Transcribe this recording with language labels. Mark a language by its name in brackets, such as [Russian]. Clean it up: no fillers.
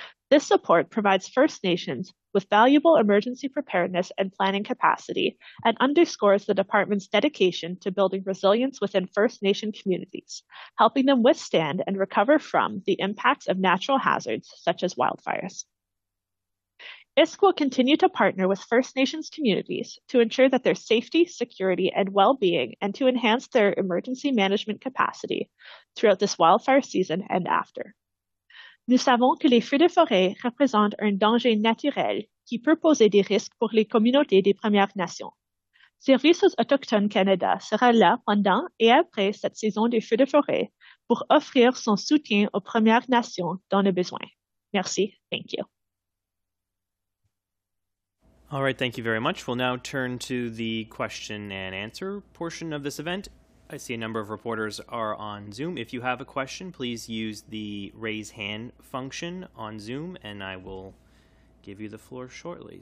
[English] This support provides First Nations with valuable emergency preparedness and planning capacity and underscores the department's dedication to building resilience within First Nation communities, helping them withstand and recover from the impacts of natural hazards such as wildfires. ISC will continue to partner with First Nations communities to ensure that their safety, security, and well-being and to enhance their emergency management capacity throughout this wildfire season and after. [French] Nous savons que les feux de forêt représentent un danger naturel qui peut poser des risques pour les communautés des Premières Nations. Services Autochtones Canada sera là pendant et après cette saison des feux de forêt pour offrir son soutien aux Premières Nations dans le besoin. Merci. [English] Thank you. All right. Thank you very much. We'll now turn to the question and answer portion of this event. I see a number of reporters are on Zoom. If you have a question, please use the raise hand function on Zoom, and I will give you the floor shortly.